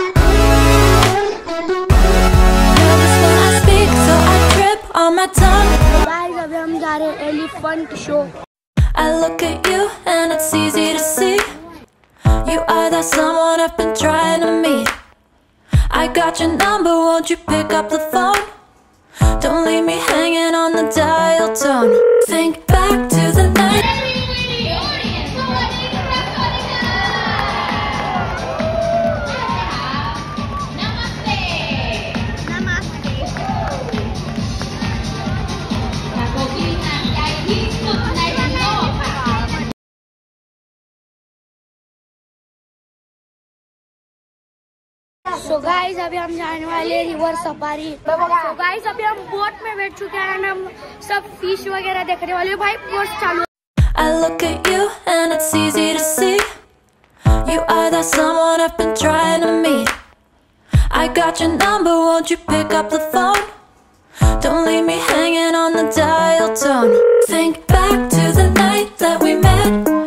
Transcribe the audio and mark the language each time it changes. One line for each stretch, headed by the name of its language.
English: Nervous when I speak, so I trip on my tongue.
Hindi: Guys, अभी हम जा रहे हैं elephant show.
English: I look at you and it's easy to see. You are that someone I've been trying to meet. I got your number, won't you pick up the phone? Don't leave me hanging on the dial tone. Think back to the night.
Hindi: So guys, अभी हम जाने वाले river safari. So guys, अभी हम boat में बैठ चुके हैं और हम सब फिश वगैरह देखने वाले भाई. पोस्ट चालू.
English: I look at you and it's easy to see. You are that someone I've been trying to meet. I got your number, won't you pick up the phone? Don't leave me hanging on the dial tone. Think back to the night that we met.